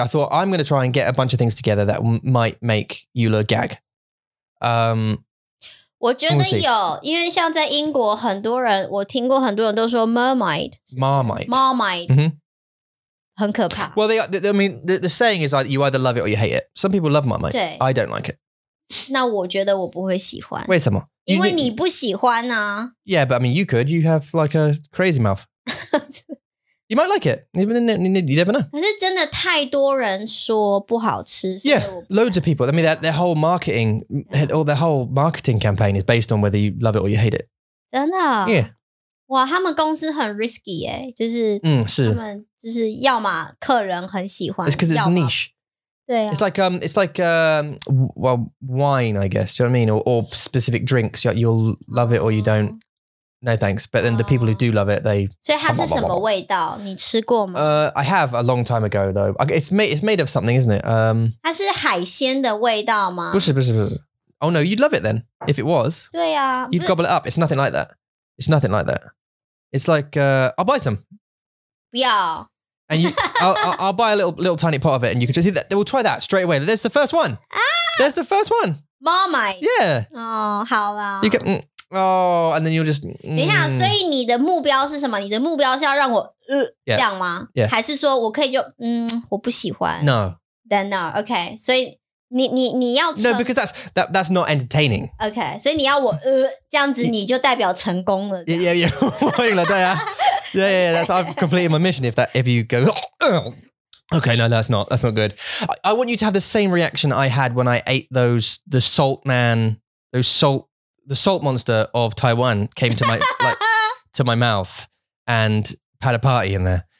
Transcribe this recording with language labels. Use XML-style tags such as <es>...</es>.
<en>I thought I'm going to try and get a bunch of things together that might make Eula gag.</en> <zh>我觉得有，因为像在英国，很多人我听过很多人都说 Marmite.</zh> <en>Mm-hmm.</en> <zh>很可怕。</zh> <en>Well, the saying is like you either love it or you hate it. Some people love Marmite.</en> <zh>对。</zh> <en>I don't like it.</en> <zh>那我觉得我不会喜欢。为什么？因为你不喜欢啊</zh> <en>Yeah, but I mean you could You have like a crazy mouth You might like it You never know</en> <zh>可是真的太多人说不好吃</zh> <en>Yeah, loads of people I mean their whole marketing yeah. Or their whole marketing campaign Is based on whether you love it or you hate it</en> <zh>真的</zh> <en>Yeah</en> <zh>哇,他们公司很risky耶 就是他们就是要么客人很喜欢</zh> <en>It's because it's niche</en> <zh>对啊,</zh> <en>it's like wine, I guess. Do you know what I mean? Or specific drinks. You'll love it or you don't. No thanks. But then the people who do love it, they. So it has some flavor.</en> <zh>你吃过吗?</zh> <en>I have a long time ago though. It's made of something, isn't it?</en> <zh>它是海鲜的味道吗? 不是。</zh> <en>Oh no, you'd love it then if it was.</en> <zh>对啊,</zh> <en>you'd gobble it up. It's nothing like that. It's nothing like that. It's like I'll buy some.</en> <zh>不要。</zh> <en>And you, I'll buy a little tiny pot of it, and you can just see that. We'll try that straight away. There's the first one. Ah, there's the first one. Marmite. Yeah. Oh,</en> <zh>好啦.</zh> <en>You can. Oh, and then you'll just...</en> <zh>等一下,所以你的目标是什么? 你的目标是要让我...这样吗?</zh> <en>Yeah.</en> <zh>还是说我可以就...我不喜欢?</zh> <en>No. Then no, okay.</en> <zh>所以你要...</zh> <en>No, because that's not entertaining. Okay,</en> <zh>所以你要我... 这样子你就代表成功了。</zh> <en>Yeah, yeah, yeah.</en> <zh>我赢了,对啊。</zh> <en>Yeah, yeah, yeah. That's, I've completed my mission if you go... Okay, no, that's not good. I want you to have the same reaction I had when I ate the salt monster of Taiwan came to my like to my mouth and had a party in there.</en>